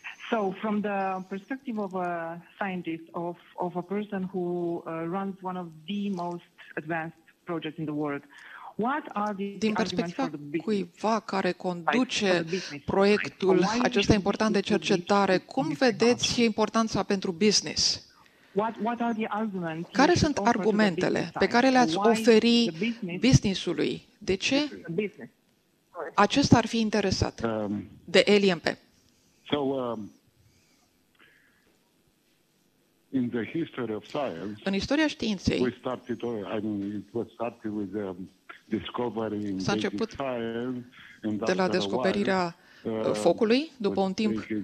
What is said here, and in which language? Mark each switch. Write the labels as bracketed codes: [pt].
[en] So from the perspective of a scientist, of a person who runs one of the most advanced projects in the world, what are the [ro] din perspectiva cuiva care conduce proiectul acesta important de cercetare, cum vedeți importanța pentru business? [en] What are the arguments? [ro] Care sunt argumentele pe care le-ați oferi businessului? De ce acesta ar fi interesat de LMP? [en] So in the history of science, [ro] în istoria științei, [en] we started, I mean, it was started with the discovery in [ro] s-a început de la descoperirea focului, după un timp